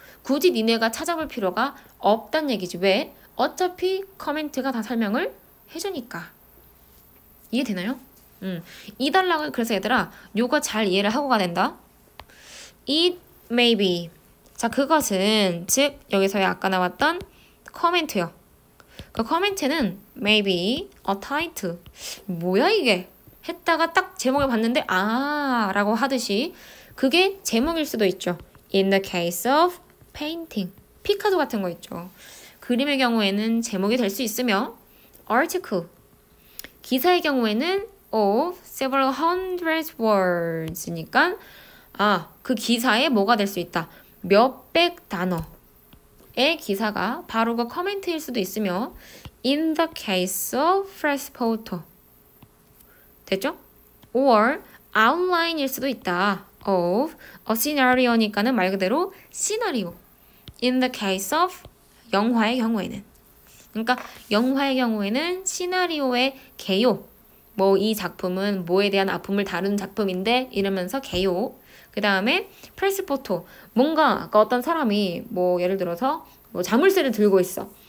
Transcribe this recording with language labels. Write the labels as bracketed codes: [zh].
[ko] 굳이 니네가 찾아볼 필요가 없단 얘기지. 왜? 어차피 커멘트가 다 설명을 해주니까. 이해되나요? 이달라고. 그래서 얘들아, 요거 잘 이해를 하고 가야 된다. [en] It may be. [ko] 자, 그것은 즉 여기서의 아까 나왔던 커멘트요. 그 커멘트는 [en] maybe a title. [ko] 뭐야 이게? 했다가 딱 제목을 봤는데 아 라고 하듯이 그게 제목일 수도 있죠. [en] In the case of painting. [ko] 피카소 같은 거 있죠. 그림의 경우에는 제목이 될수 있으며 article. 기사의 경우에는 [en] of several hundred words [ko] 니까 아, 그 기사에 뭐가 될수 있다. 몇백 단어의 기사가 바로 그 코멘트일 수도 있으며 [en] In the case of fresh photo. [ko] 됐죠? [en] Or outline [ko] 일 수도 있다. [en] Of a scenario [ko] 니까는 말 그대로 시나리오. [en] In the case of [ko] 영화의 경우에는. 그러니까 영화의 경우에는 시나리오의 개요. 뭐이 작품은 뭐에 대한 아픔을 다룬 작품인데 이러면서 개요. 그 다음에 프레스 포토. 뭔가 어떤 사람이 뭐 예를 들어서 뭐 자물쇠를 들고 있어.